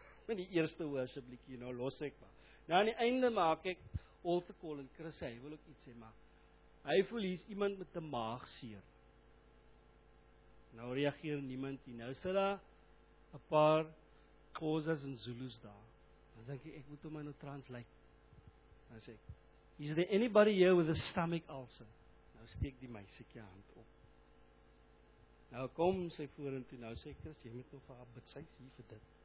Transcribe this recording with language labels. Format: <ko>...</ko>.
<af>In die eerste worship liedjie, nou los ek maar. Nou aan die einde maak ek altar call en Chris sê, hy wil ook iets sê, maar hy voel hier is iemand met 'n maagseer. Nou reageer niemand nie. Nou sit daar 'n paar Khoisas en Zulus daar. Dan dink ek, ek moet hom nou translate. Nou sê ek,</af> <en>is there anybody here with a stomach ulcer?</en> <af>Nou steek die meisiekie hand op. Nou kom sy vorentoe, nou sê Chris, jy moet nog vir haar bid, sy is hier vir dit.</af>